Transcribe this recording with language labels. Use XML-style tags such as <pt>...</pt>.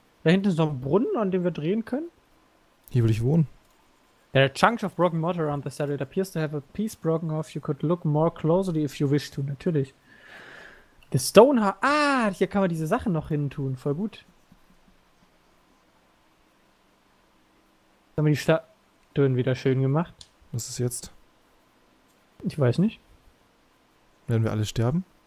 <de>Da hinten ist noch ein Brunnen, an dem wir drehen können. Hier will ich wohnen.</de> <en>There are chunks of broken mortar around the saddle. It appears to have a piece broken off. You could look more closely if you wish to. Natürlich. The stone heart.</en> <de>Ah, hier kann man diese Sachen noch hin tun. Voll gut. Jetzt haben wir die Statuen wieder schön gemacht. Was ist jetzt? Ich weiß nicht. Werden wir alle sterben?</de>